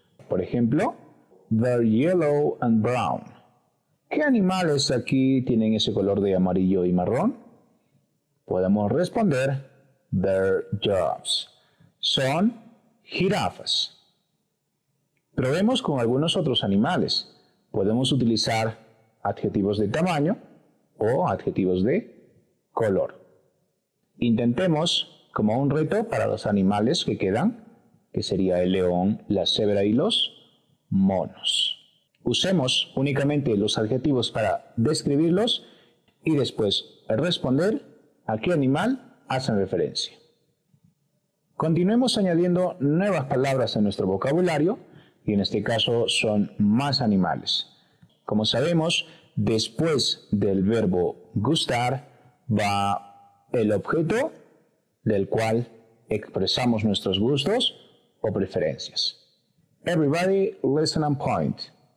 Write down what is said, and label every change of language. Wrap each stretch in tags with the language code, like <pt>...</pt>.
<es>Por ejemplo,</es> <en>they're yellow and brown.</en> <es>¿Qué animales aquí tienen ese color de amarillo y marrón? Podemos responder,</es> <en>they're giraffes.</en> <es>Son jirafas. Probemos con algunos otros animales. Podemos utilizar adjetivos de tamaño o adjetivos de color. Intentemos como un reto para los animales que quedan, que sería el león, la cebra y los monos. Usemos únicamente los adjetivos para describirlos y después responder a qué animal hacen referencia. Continuemos añadiendo nuevas palabras en nuestro vocabulario y en este caso son más animales. Como sabemos, después del verbo gustar va el objeto del cual expresamos nuestros gustos o preferencias.</es> <en>Everybody listen and point.</en>